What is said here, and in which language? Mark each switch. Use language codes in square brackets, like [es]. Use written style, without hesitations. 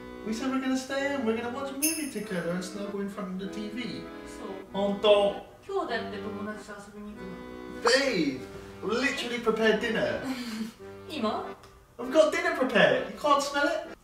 [en] We said we're gonna stay and we're gonna watch a movie together instead of going in front of the TV。 [ja] そう、本当今日だって友達と遊びに行くの。 [en] Babe, literally prepared dinner。 [ja] 今 [en] I've got dinner prepared, you can't smell it。